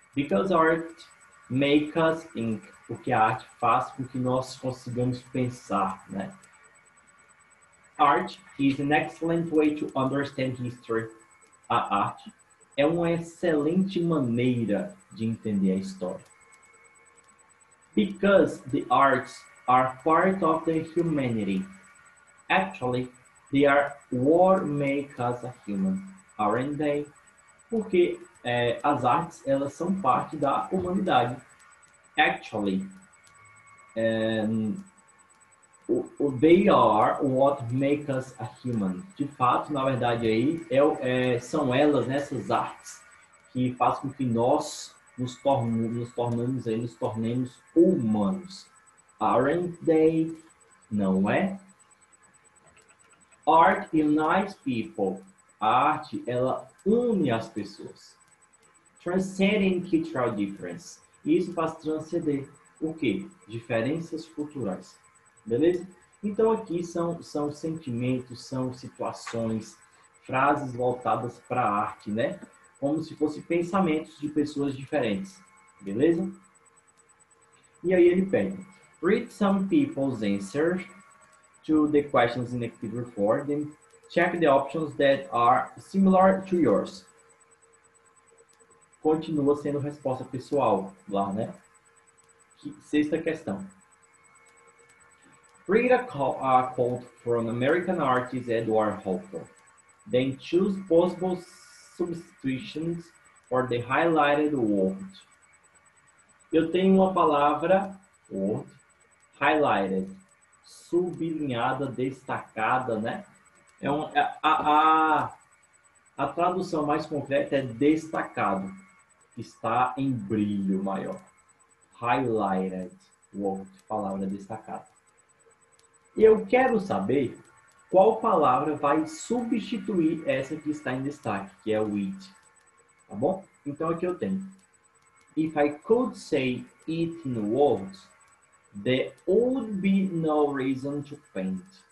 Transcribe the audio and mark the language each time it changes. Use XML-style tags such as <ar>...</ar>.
<en>Because art makes us think.</en> <pt>Porque a arte faz com que nós consigamos pensar, né?</pt> <en>Art is an excellent way to understand history.</en> <pt>A arte é uma excelente maneira de entender a história.</pt> <en>Because the arts are part of the humanity. Actually, they are what make us a human, aren't they?</en> <pt>Porque as artes, elas são parte da humanidade.</pt> <en>Actually, they are what make us a human.</en> <pt>De fato, na verdade, aí são elas, né, essas artes, que faz com que nós nos tornemos humanos.</pt> <en>Aren't they?</en> <pt>Não é?</pt> <en>Art unites people.</en> <pt>A arte, ela une as pessoas.</pt> <en>Transcending cultural difference.</en> <pt>Isso faz transcender o quê? Diferenças culturais. Beleza? Então, aqui são sentimentos, são situações, frases voltadas para a arte, né? Como se fossem pensamentos de pessoas diferentes. Beleza? E aí ele pede:</pt> <en>Read some people's answers to the questions in the activity before them. Check the options that are similar to yours.</en> <pt>Continua sendo resposta pessoal lá, né? Sexta questão.</pt> <en>Read a quote from American artist Edward Hopper. Then choose possible substitutions for the highlighted word.</en> <pt>Eu tenho uma palavra, word, highlighted, sublinhada, destacada, né? A tradução mais concreta é destacado. Está em brilho maior. Highlighted, word, palavra destacada. Eu quero saber qual palavra vai substituir essa que está em destaque, que é o it. Tá bom? Então aqui eu tenho.</pt> <en>If I could say it in words, there would be no reason to paint.</en>